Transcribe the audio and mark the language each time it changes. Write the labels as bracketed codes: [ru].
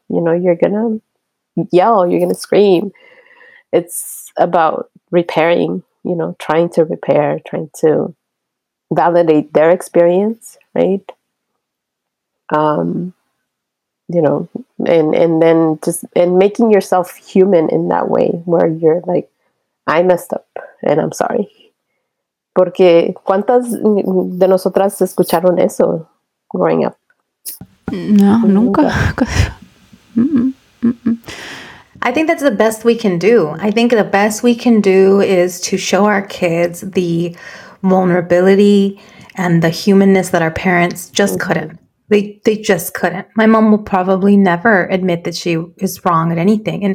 [en] You know, you're going to yell, you're going to scream. It's about repairing, you know, trying to repair, trying to validate their experience, right? You know, and then just, and making yourself human in that way, where you're like, I messed up and I'm sorry. [es] Porque ¿cuántas de nosotras escucharon eso [en] growing up? [es] No, nunca. [en] I think that's the best we can do. I think the best we can do is to show our kids the vulnerability and the humanness that our parents just couldn't. They just couldn't. My mom will probably never admit that she is wrong at anything.